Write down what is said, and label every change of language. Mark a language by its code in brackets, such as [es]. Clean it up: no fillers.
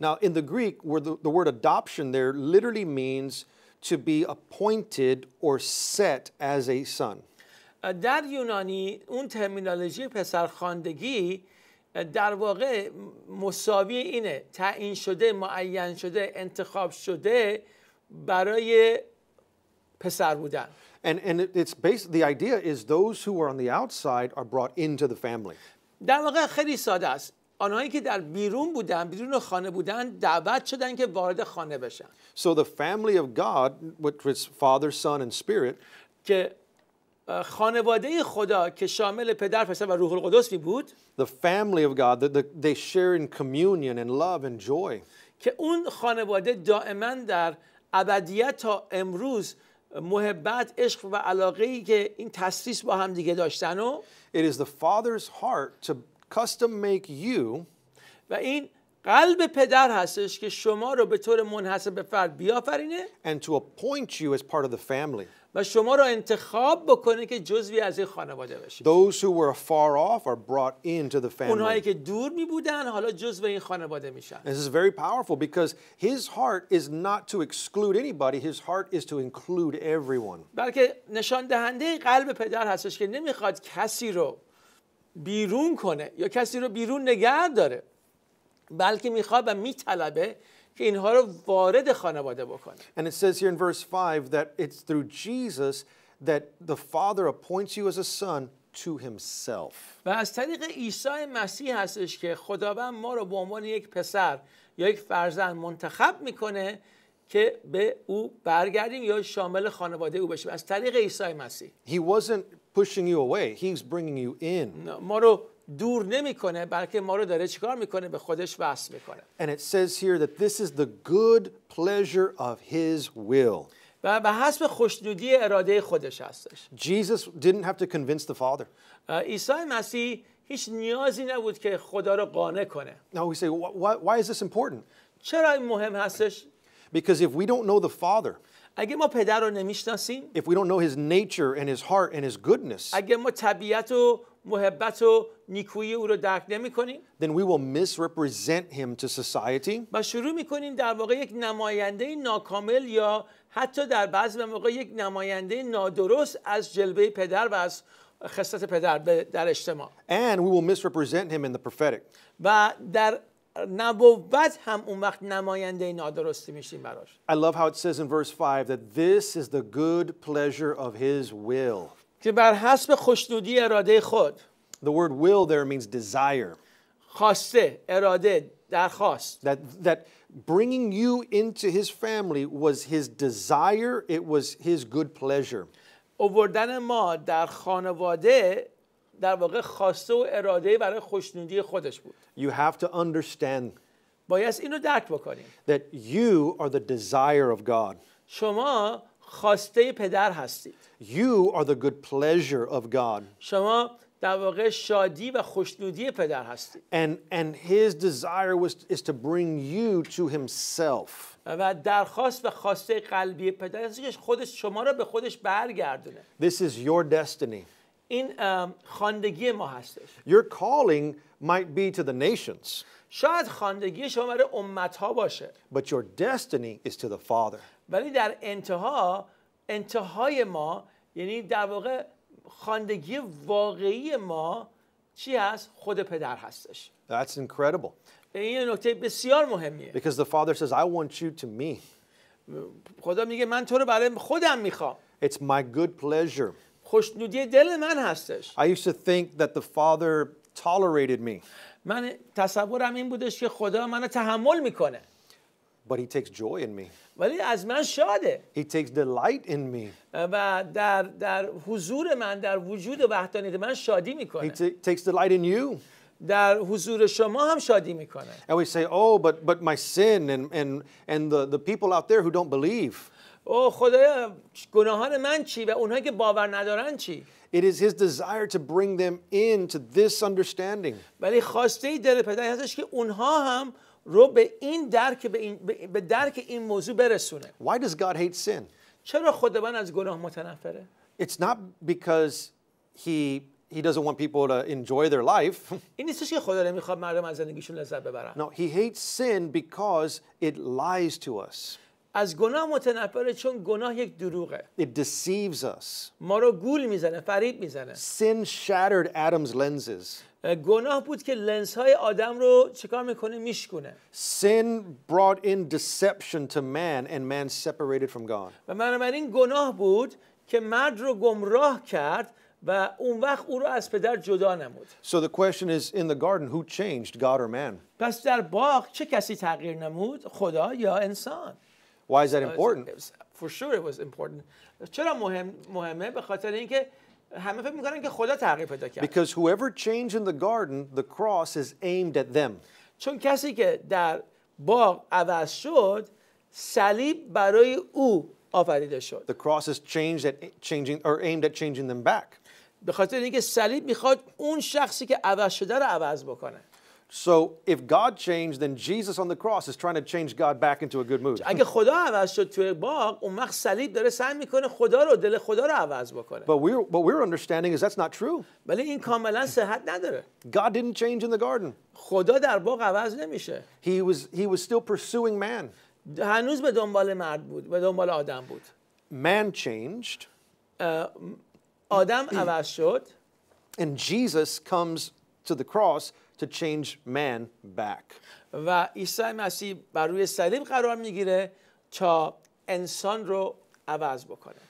[en] Now in the Greek where the word adoption there literally means to be appointed or set as a son. [fa] در یونانی اون ترمینولوژی پسر خواندگی در واقع مساوی اینه، تعیین شده، معین شده، انتخاب شده برای پسر بودن. [en] And it's basically the idea is those who are on the outside are brought into the family. [fa] در واقع خیلی ساده است. آنهایی که در بیرون بودن، بیرون خانه بودن، دعوت شدن که وارد خانه بشن. [en] So the family of God, which is Father, Son, and Spirit, [fa] که خانواده خدا که شامل پدر، پسر و روح القدس می بود. [en] The family of God, that they share in communion and love and joy. [fa] که اون خانواده دائما در ابدیت تا امروز محبت، عشق و علاقه‌ای که این تثلیث با هم دیگه داشتن و. [en] It is the Father's heart to custom make you. [fa] و این قلب پدر هستش که شما رو به طور منحصر به فرد بیافرینه. [en] And to appoint you as part of the family. [fa] و شما رو انتخاب بکنه که جزوی از این خانواده بشید. [en] Those who were far off are brought into the family. [fa] اونهایی که دور می بودن حالا جزو این خانواده میشن. [en] This is very powerful because his heart is not to exclude anybody. His heart is to include everyone. [fa] بلکه نشان دهنده قلب پدر هستش که نمیخواد کسی رو بیرون کنه یا کسی رو بیرون نگه داره، بلکه میخواد و میطلبه که اینها رو وارد خانواده بکنه. [en] And it says here in verse 5 that it's through Jesus that the Father appoints you as a son to himself. [fa] و از طریق عیسی مسیح هستش که خداوند ما رو به عنوان یک پسر یا یک فرزند منتخب میکنه که به او برگردیم یا شامل خانواده او بشیم. از طریق عیسی مسیح. [en] He wasn't pushing you away, he's bringing you in. [fa] ما رو دور نمیکنه، بلکه ما رو داره چیکار میکنه؟ به خودش وصل میکنه. [en] And it says here that this is the good pleasure of his will. [fa] و به حسب خوشنودی اراده خودش هستش. [en] Jesus didn't have to convince the Father. [fa] عیسی مسیح هیچ نیازی نبود که خدا رو قانع کنه. [en] Now we say why is this important? [fa] چرا این مهم هستش؟ [en] Because if we don't know the Father, [fa] اگه ما پدر رو نمیشناسیم، [en] if we don't know his nature and his heart and his goodness, [fa] اگه ما طبیعت و محبت و نیکویی او رو درک نمی‌کنیم، [en] then we will misrepresent him to society. [fa] ما شروع می‌کنیم در واقع یک نماینده ناکامل یا حتی در بعضی مواقع یک نماینده نادرست از جلوه پدر و از خصلت پدر در اجتماع. [en] And we will misrepresent him in the prophetic. [fa] و در نبوت هم اون وقت نماینده نادرستی میشیم براش. [en] I love how it says in verse 5 that this is the good pleasure of his will. [fa] که بر حسب خوشنودی اراده خود. [en] The word will there means desire. [fa] خواسته اراده درخواست [en] that bringing you into his family was his desire, it was his good pleasure. [fa] آوردن ما در خانواده در واقع خواسته و اراده برای خوشنودی خودش بود. [en] You have to understand [fa] باید اینو درک بکنیم [en] that you are the desire of God. [fa] شما خواسته پدر هستید. [en] You are the good pleasure of God. [fa] شما در واقع شادی و خوشنودی پدر هستید. [en] And his desire is to bring you to himself. [fa] و درخواست و خواسته قلبی پدر هستید که خودش شما را به خودش برگردونه. [en] This is your destiny. [fa] این خواندگی ما هستش. [en] Your calling might be to the nations. [fa] شاید خواندگی شما برای امت‌ها باشه. [en] But your destiny is to the Father. [fa] ولی در انتها انتهای ما یعنی در واقع خواندگی واقعی ما چی هست؟ خود پدر هستش. [en] That's incredible. [fa] این نکته بسیار مهمیه. [en] Because the Father says I want you to me. [fa] خدا میگه من تو رو برای خودم میخوام. [en] It's my good pleasure. [fa] خوشنودی دل من هستش. [en] I used to think that the Father tolerated me. [fa] من تصورم این بودش که خدا منو تحمل میکنه. [en] But he takes joy in me. [fa] ولی از من شاده. [en] He takes delight in me. [fa] و در حضور من در وجود وحدانیت من شادی میکنه. [en] He takes delight in you. [fa] در حضور شما هم شادی میکنه. [en] And we say, oh, but my sin and the people out there who don't believe. [fa] او خدایا گناهان من چی و اونهایی که باور ندارن چی؟ [en] It is his desire to bring them into this understanding. [fa] ولی خواسته دل پدر هستش که اونها هم رو به این درک به درک این موضوع برسونه. [en] Why does God hate sin? [fa] چرا خداوند از گناه متنفره؟ [en] It's not because he doesn't want people to enjoy their life. [fa] این نیستش که خدا نمیخواد مردم از زندگیشون لذت ببرن. [en] No, he hates sin because it lies to us. [fa] از گناه متنفره چون گناه یک دروغه. [en] It deceives us. [fa] ما رو گول میزنه، فریب میزنه. [en] Sin shattered Adam's lenses. [fa] گناه بود که لنزهای آدم رو چیکار میکنه میشکونه. [en] Sin brought in deception to man and man separated from God. [fa] و بنابراین گناه بود که مرد رو گمراه کرد و اون وقت او رو از پدر جدا نمود. [en] So the question is in the garden who changed God or man? [fa] پس در باغ چه کسی تغییر نمود؟ خدا یا انسان؟ [en] Why is that important? For sure it was important. [fa] چرا مهمه؟ به خاطر اینکه همه فکر میکنن که خدا تغییر پیدا کرد. [en] Because whoever changed in the garden, the cross is aimed at them. [fa] چون کسی که در باغ عوض شد، صلیب برای او آفریده شد. [en] The cross is aimed at changing them back. [fa] به خاطر اینکه صلیب میخواد اون شخصی که عوض شده رو عوض بکنه. [en] So if God changed, then Jesus on the cross is trying to change God back into a good mood. [fa] اگه خدا عوض شد توی باغ، اون وقت صلیب داره سعی میکنه خدا رو دل خدا رو عوض بکنه. [en] But we're understanding is that's not true. [fa] ولی این کاملا صحت نداره. [en] God didn't change in the garden. [fa] خدا در باغ عوض نمیشه. [en] He was still pursuing man. [fa] هنوز به دنبال مرد بود، به دنبال آدم بود. [en] Man changed. [fa] آدم عوض شد. [en] And Jesus comes to the cross to change man back. [fa] و عیسی مسیح بر روی صلیب قرار میگیره تا انسان رو عوض بکنه.